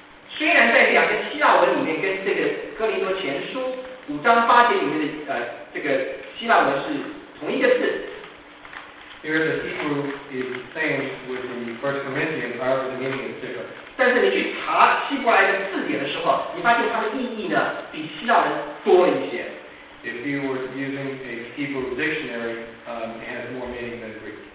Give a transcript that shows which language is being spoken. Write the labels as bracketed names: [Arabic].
[Chinese] 虽然在两个希腊文里面跟这个哥林多前书五章八节里面的这个希腊文是同一个字。 [English] Here the Hebrew is same with the First Corinthians, however the meaning is different. [Chinese] 但是你去查希伯来的字典的时候，你发现它的意义呢比希腊文多了一些。 [English] If you were using a Hebrew dictionary, it has more meaning than Greek.